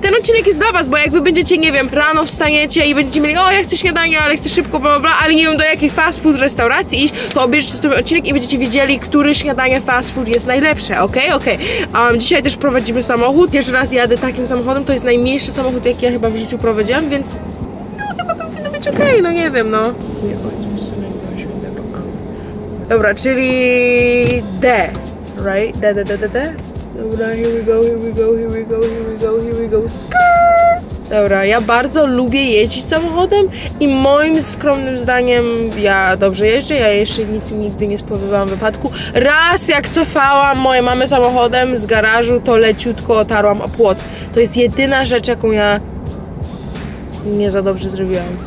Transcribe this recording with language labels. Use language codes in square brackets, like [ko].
[pl] Ten odcinek jest dla was, bo jak wy będziecie, nie wiem, rano wstaniecie i będziecie mieli, o, ja chcę śniadania, ale chcę szybko, bla, bla, bla, ale nie wiem, do jakiej fast food restauracji iść, to obierzcie sobie odcinek i będziecie wiedzieli, które śniadanie fast food jest najlepsze, okej? Okej. Dzisiaj też prowadzimy samochód. Pierwszy raz jadę takim samochodem, to jest najmniejszy samochód, jaki ja chyba w życiu prowadziłam, więc no, chyba powinno być okej, no nie wiem, no. Nie chodzi mi sobie do świętego, amen. Dobra, czyli D, right? D, D, D, D, D. [en] Dobra, here we go, here we go, here we go, here we go, here we go, skrrr! [pl] Dobra, ja bardzo lubię jeździć samochodem i moim skromnym zdaniem ja dobrze jeżdżę, ja jeszcze nic nigdy nie spowodowałam wypadku. Raz jak cofałam moje mamy samochodem z garażu, to leciutko otarłam o płot. To jest jedyna rzecz, jaką ja nie za dobrze zrobiłam.